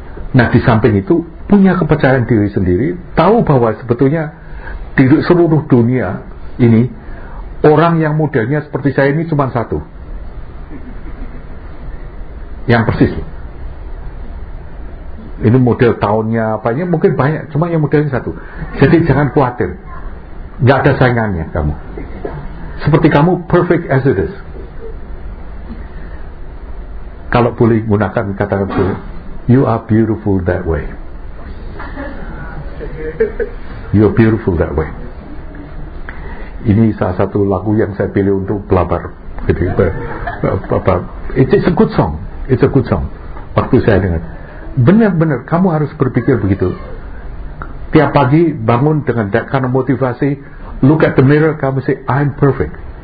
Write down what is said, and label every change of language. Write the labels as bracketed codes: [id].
[id] Nah di samping itu punya kepercayaan diri sendiri, tahu bahwa sebetulnya di seluruh dunia ini orang yang modelnya seperti saya ini cuma satu, yang persis. Ini model tahunnya apanya mungkin banyak, cuma yang modelnya satu. Jadi jangan khawatir, nggak ada saingannya kamu. Seperti kamu, [en] perfect as it is. [id] Kalau boleh gunakan kata itu, [en] you are beautiful that way. You are beautiful that way. [id] Ini salah satu lagu yang saya pilih untuk pelabar. [en] It's a good song. [id] It's a good song. Waktu saya dengar, benar-benar kamu harus berpikir begitu. Tiap pagi bangun dengan karena motivasi, [en] look at the mirror, [id] kamu [en] say, I'm perfect.